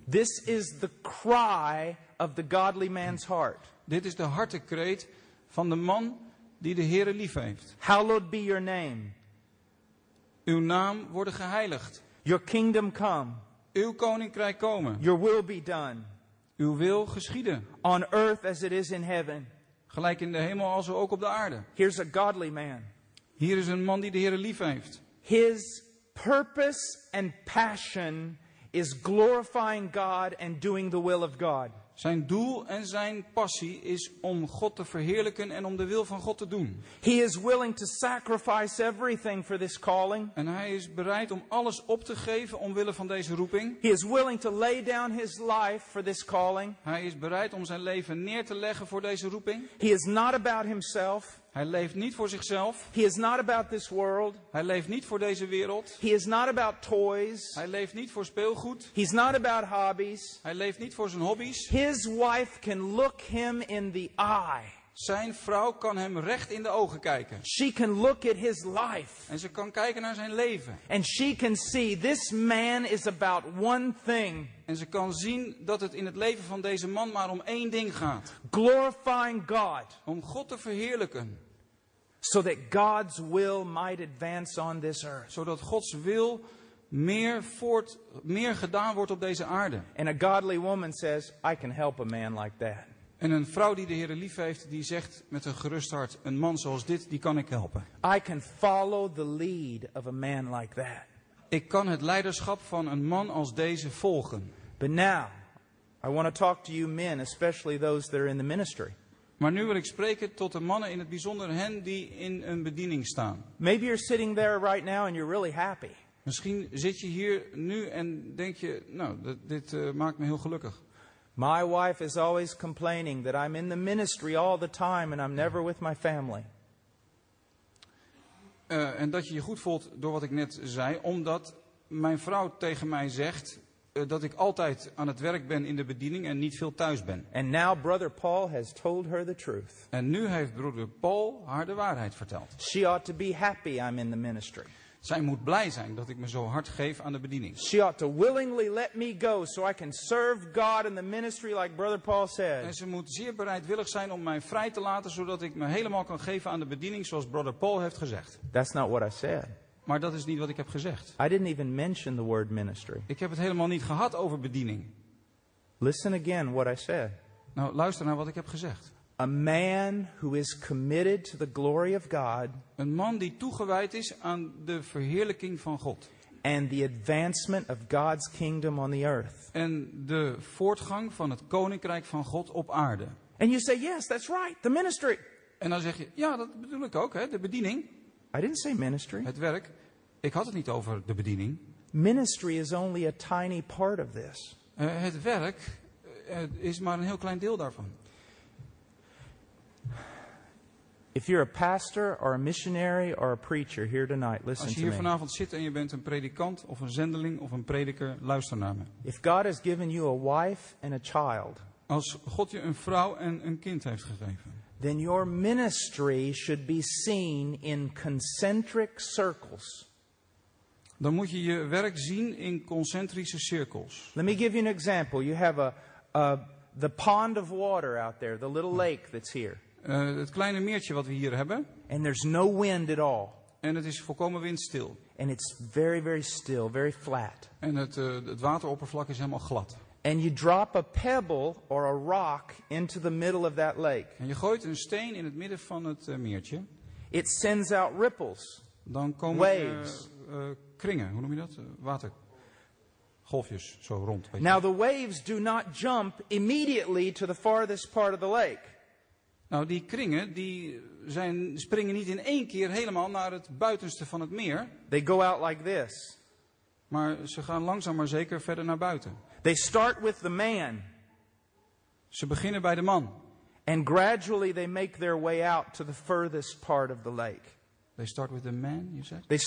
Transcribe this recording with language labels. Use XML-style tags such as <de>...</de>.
<en>This is the cry of the godly man's heart.</en> <nl>Dit is de hartekreet van de man die de Heere lief heeft.</nl> <en>Hallowed be your name.</en> <nl>Uw naam worden geheiligd.</nl> <en>Your kingdom come.</en> <nl>Uw koninkrijk komen.</nl> <en>Your will be done.</en> <nl>Uw wil geschieden.</nl> <en>On earth as it is in heaven.</en> <nl>Gelijk in de hemel als ook op de aarde.</nl> <en>Here's a godly man.</en> <nl>Hier is een man die de Heere lief heeft.</nl> <en>His purpose and passion is glorifying God and doing the will of God.</en> <nl>Zijn doel en zijn passie is om God te verheerlijken en om de wil van God te doen.</nl> <en>He is willing to sacrifice everything for this calling.</en> <nl>En hij is bereid om alles op te geven omwille van deze roeping.</nl> <en>He is willing to lay down his life for this calling.</en> <nl>Hij is bereid om zijn leven neer te leggen voor deze roeping.</nl> <en>He is not about himself.</en> <nl>Hij leeft niet voor zichzelf.</nl> <en>He is not about this world.</en> <nl>Hij leeft niet voor deze wereld.</nl> <en>He is not about toys.</en> <nl>Hij leeft niet voor speelgoed.</nl> <en>He's not about hobbies.</en> <nl>Hij leeft niet voor zijn hobby's.</nl> <en>His wife can look him in the eye.</en> <nl>Zijn vrouw kan hem recht in de ogen kijken.</nl> <en>She can look at his life.</en> <nl>En ze kan kijken naar zijn leven.</nl> <en>And she can see this man is about one thing.</en> <nl>En ze kan zien dat het in het leven van deze man maar om één ding gaat.</nl> <en>Glorifying God.</en> <nl>Om God te verheerlijken.</nl> <en>So that God's will might advance on this earth.</en> <nl>Zodat Gods wil meer gedaan wordt op deze aarde.</nl> <en>And a godly woman says, I can help a man like that.</en> <nl>En een vrouw die de Heere lief heeft, die zegt met een gerust hart, een man zoals dit, die kan ik helpen.</nl> <en>I can follow the lead of a man like that.</en> <nl>Ik kan het leiderschap van een man als deze volgen.</nl> <en>But now, I want to talk to you men, especially those that are in the ministry.</en> <nl>Maar nu wil ik spreken tot de mannen, in het bijzonder hen die in een bediening staan.</nl> <en>Maybe you're sitting there right now and you're really happy.</en> <nl>Misschien zit je hier nu en denk je, nou, dit maakt me heel gelukkig.</nl> <en>My wife is always complaining that I'm in the ministry all the time and I'm never with my family.</en> <nl>En dat je je goed voelt door wat ik net zei, omdat mijn vrouw tegen mij zegt dat ik altijd aan het werk ben in de bediening en niet veel thuis ben.</nl> <en>And now brother Paul has told her the truth.</en> <nl>En nu heeft broeder Paul haar de waarheid verteld.</nl> <en>She ought to be happy I'm in the ministry.</en> <nl>Zij moet blij zijn dat ik me zo hard geef aan de bediening.</nl> <en>She ought to willingly let me go so I can serve God in the ministry like brother Paul said.</en> <nl>En ze moet zeer bereidwillig zijn om mij vrij te laten zodat ik me helemaal kan geven aan de bediening zoals brother Paul heeft gezegd.</nl> <en>That's not what I said.</en> <nl>Maar dat is niet wat ik heb gezegd.</nl> <en>I didn't even mention the word ministry.</en> <nl>Ik heb het helemaal niet gehad over bediening.</nl> <en>Listen again what I said.</en> <nl>Nou, luister naar wat ik heb gezegd.</nl> <en>A man who is committed to the glory of God.</en> <nl>Een man die toegewijd is aan de verheerlijking van God.</nl> <en>And the advancement of God's kingdom on the earth.</en> <nl>En de voortgang van het koninkrijk van God op aarde.</nl> <en>And you say yes, that's right, the ministry.</en> <nl>En dan zeg je, ja, dat bedoel ik ook, hè, de bediening.</nl> <en>I didn't say ministry.</en> <nl>Het werk. Ik had het niet over de bediening.</nl> <en>Ministry is only a tiny part of this.</en> <nl>Het werk is maar een heel klein deel daarvan.</nl> <en>If you're a pastor or a missionary or a preacher here tonight, listen to me.</en> <nl>Als je hier vanavond zit en je bent een predikant of een zendeling of een prediker, luister naar me.</nl> <en>If God has given you a wife and a child.</en> <nl>Als God je een vrouw en een kind heeft gegeven.</nl> <en>Then your ministry should be seen in concentric circles.</en> <nl>Dan moet je je werk zien in concentrische cirkels.</nl> <en>Let me give you an example. You have the pond of water out there, the little lake that's here.</en> <nl>Het kleine meertje wat we hier hebben.</nl> <en>And there's no wind at all.</en> <nl>En het is volkomen windstil.</nl> <en>And it's very, very still, very flat.</en> <nl>En het wateroppervlak is helemaal glad.</nl> <en>And you drop a pebble or a rock into the middle of that lake.</en> <nl>En je gooit een steen in het midden van het meertje.</nl> <en>It sends out ripples.</en> <nl>Dan komen</nl> <en>waves.</en> <nl>Kringen, hoe noem je dat? Watergolfjes zo rond.</nl> <en>Now the waves do not jump immediately to the farthest part of the lake.</en> <nl>Nou, die kringen springen niet in één keer helemaal naar het buitenste van het meer.</nl> <en>They go out like this.</en> <nl>Maar ze gaan langzaam maar zeker verder naar buiten.</nl> <en>They start with the man.</en> <nl>Ze beginnen bij de man.</nl> <en>And gradually they make their way out to the furthest part of the lake. They start with the man, you said?</en>